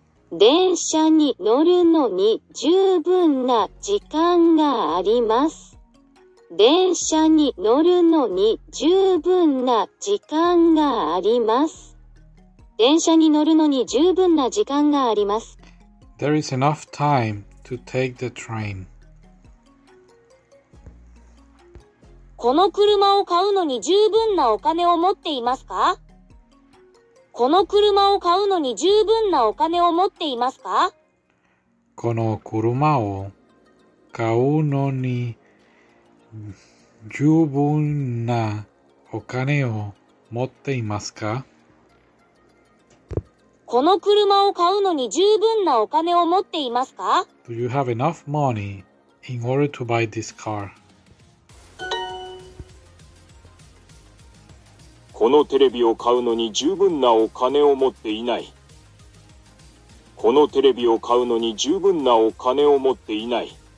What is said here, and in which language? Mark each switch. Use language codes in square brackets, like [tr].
[ja] 電車に乗るのに十分な時間があります。電車に乗るのに十分な時間があります。電車に乗るのに十分な時間があります。 [en] There is enough time to take the train. [ja] この車を買うのに十分なお金を持っていますか？この車を買うのに十分なお金を持っていますか？この車を買うのに十分なお金を持っていますか？この車を買うのに十分なお金を持っていますか？ [en] Do you have enough money in order to buy this car? [ja] このテレビを買うのに十分なお金を持っていない。このテレビを買うのに十分なお金を持っていない。